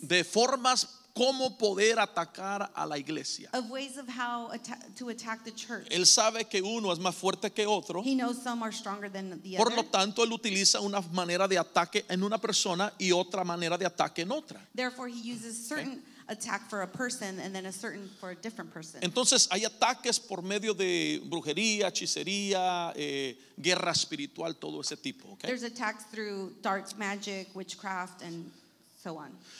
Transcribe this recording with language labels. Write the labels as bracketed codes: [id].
[es] De formas cómo poder atacar a la iglesia. [en] Of ways of how to attack the church. [es] Él sabe que uno es más fuerte que otro. [en] He knows some are stronger than the other. [es] Por lo tanto, él utiliza una manera de ataque en una persona y otra manera de ataque en otra. [en] Therefore, he uses certain attack for a person and then a certain for a different person. [es] Entonces, hay ataques por medio de brujería, hechicería, guerra espiritual, todo ese tipo. [en] Okay? There's attacks through darts, magic, witchcraft, and so on.